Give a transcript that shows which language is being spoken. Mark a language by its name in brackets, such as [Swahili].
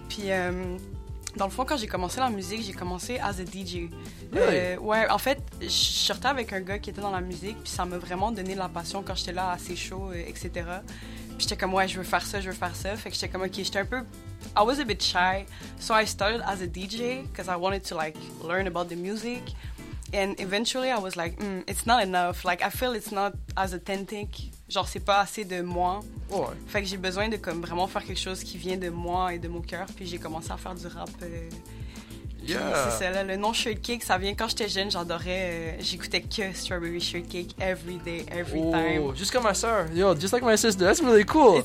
[French] Puis, dans le fond, quand j'ai commencé la musique, j'ai commencé [English] as a DJ. Really? [French] Ouais, en fait, je sortais avec un gars qui était dans la musique, puis ça m'a vraiment donné de la passion quand j'étais là à ses shows, etc. Puis j'étais comme, ouais, je veux faire ça. Fait que j'étais comme, ok, j'étais un peu... [English] I was a bit shy, so I started as a DJ, because I wanted to, like, learn about the music. And eventually, I was like, it's not enough. Like, I feel it's not as authentic. [French] Genre, c'est pas assez de moi. Ouais. Fait que j'ai besoin de, comme, vraiment faire quelque chose qui vient de moi et de mon cœur. Puis j'ai commencé à faire du rap... Yeah. C'est ça, le nom Shortcake, ça vient quand j'étais jeune, j'adorais, j'écoutais que Strawberry Shortcake [English] every day, every time. [French] Juste comme ma sœur. [English] Yo, just like my sister. That's really cool.